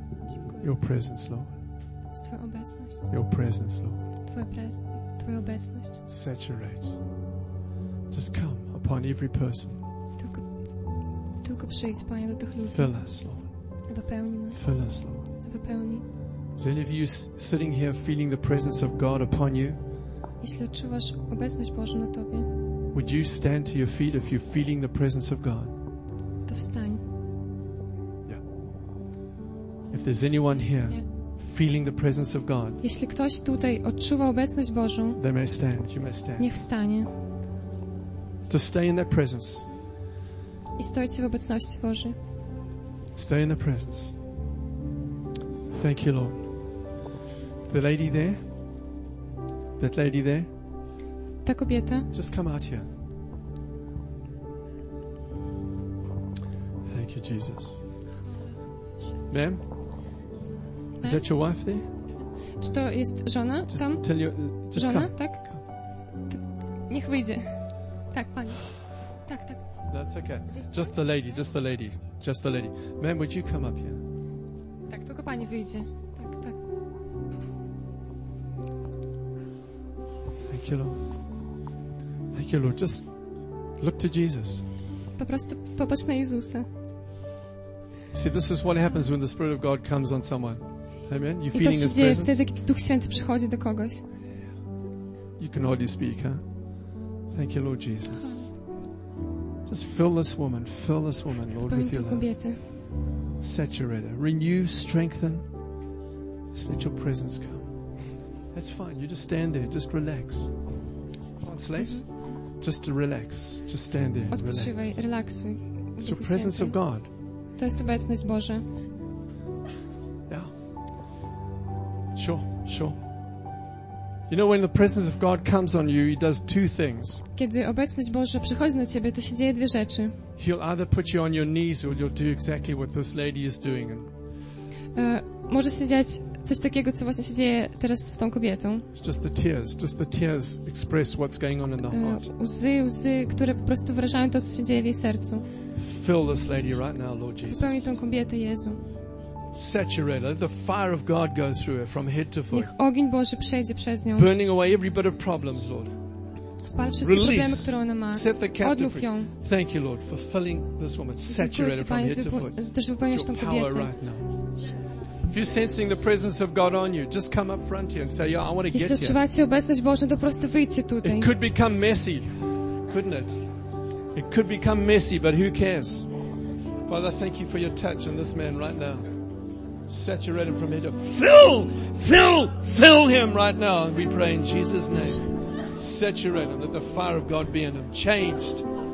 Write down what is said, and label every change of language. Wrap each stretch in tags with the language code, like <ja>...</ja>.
<pl>Dziękuję.</pl> <en>Your presence, Lord.</en> <pl>Jest Twoja obecność.</pl> <en>Your presence, Lord.</en> <pl>Twoja obecność.</pl> <en>Saturate. Just come upon every person.</en> <pl>Tylko przyjdź, Panie, do tych ludzi.</pl> <en>Fill us, Lord.</en> <pl>Wypełnij nas.</pl> <en>Fill us, Lord.</en> <pl>Wypełnij.</pl> <en>Is any of you sitting here feeling the presence of God upon you?</en> <pl>Jeśli odczuwasz obecność Bożą na Tobie.</pl> <en>Would you stand to your feet if you're feeling the presence of God?</en> <pl>To wstań.</pl> <en>Yeah. If there's anyone here feeling the presence of God.</en> <pl>Jeśli ktoś tutaj odczuwa obecność Bożą.</pl> <en>They may stand. You may stand.</en> <pl>Niech wstanie.</pl> <en>To stay in that presence.</en> <pl>I stojcie w obecności Bożej.</pl> <en>Stay in the presence. Thank you, Lord. The lady there. That lady there.</en> <pl>Ta kobieta.</pl> <en>Just come out here. Thank you, Jesus. Ma'am? Is that your wife there?</en> <pl>Czy to jest żona tam?</pl> <en>Just tell you, just</en> <pl>żona,</pl> <en>come.</en> <pl>Tak? Niech wyjdzie. Tak, pani. Tak, tak.</pl> <en>That's okay. Just the lady, just the lady, just the lady. Ma'am, would you come up here?</en> <pl>Tak, tylko pani wyjdzie. Tak, tak.</pl> <en>Thank you, Lord. Thank you, Lord. Just look to Jesus.</en> <pl>Po prostu popatrz na Jezusa.</pl> <en>See, this is what happens when the Spirit of God comes on someone. Amen. You're feeling His presence.</en> <pl>I to się dzieje wtedy, kiedy Duch Święty przychodzi do kogoś.</pl> <en>You can hardly speak, huh? Thank you, Lord Jesus. Just fill this woman, Lord, with your love. Saturate her, renew, strengthen. Just let your presence come. That's fine. You just stand there. Just relax. Translate. Mm-hmm. Just relax. Just stand there.</en> <pl>Odpoczywaj, relax.</pl> <en>It's the presence of God.</en> <pl>To jest obecność Boża.</pl> <en>Yeah. Sure. Sure. You know, when the presence of God comes on you, He does two things.</en> <pl>Kiedy obecność Boża przychodzi na ciebie, to się dzieje dwie rzeczy.</pl> <en>He'll either put you on your knees, or you'll do exactly what this lady is doing, and</en> <pl>może się dziać coś takiego, co właśnie się dzieje teraz z tą kobietą.</pl> <en>It's just the tears express what's going on in the heart.</en> <pl>Łzy, które po prostu wyrażają to, co się dzieje w jej sercu.</pl> <en>Fill this lady right now, Lord Jesus.</en> <pl>Wypełnij tą kobietę, Jezu.</pl> <en>Saturate her. Let the fire of God go through her from head to foot.</en> <pl>Niech ogień Boży przejdzie przez nią.</pl> <en>Burning away every bit of problems, Lord.</en> <pl>Spal wszystkie problemy, które ona ma.</pl> <en>Set the captive</en> <pl>odlów ją.</pl> <en>Free. Thank you, Lord, for filling this woman. Saturate her from head to foot.</en> <pl>Z wypełniasz tą kobietę.</pl> <en>Your power right now. If you're sensing the presence of God on you, just come up front here and say, "Yeah, I want to get here." Jeśli odczuwacie obecność Bożą, to po prostu wyjdźcie tutaj. It could become messy, couldn't it? It could become messy, but who cares? Father, thank you for your touch on this man right now. Saturate him from here. Fill him right now. And we pray in Jesus' name. Saturate him. Let the fire of God be in him. Changed.</en>